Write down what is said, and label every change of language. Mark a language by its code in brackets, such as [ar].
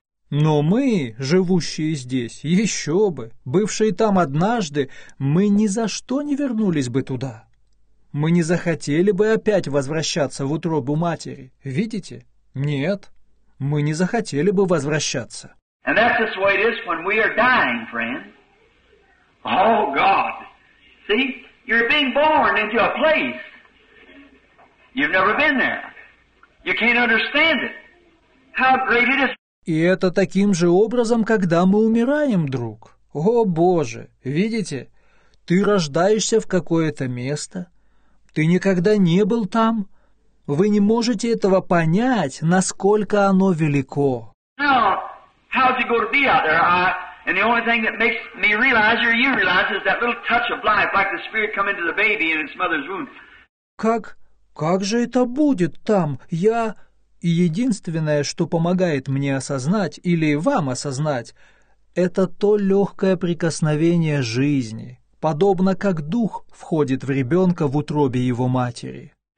[ru] Но мы, живущие здесь, еще бы, бывшие там однажды, мы ни за что не вернулись бы туда. мы не захотели бы опять возвращаться в утробу матери. Видите? Нет, мы не захотели бы возвращаться. [en] And that's just the way it is when we are dying, friend. Oh, God. See, you're being born into a place. You've never been there. You can't understand it. How great it is. [ru] И это таким же образом, когда мы умираем, друг. О, Боже, видите, ты рождаешься в какое-то место. Ты никогда не был там. Вы не можете этого понять, насколько оно велико. [en] Now, how's it going to be out there? And the only thing that makes me realize, or you realize, is that little touch of life, like the spirit come into the baby in its mother's womb. [ru] Как же это будет там? Я... И единственное, что помогает мне осознать, или вам осознать, это то легкое прикосновение жизни, подобно как дух входит в ребенка в утробе его матери.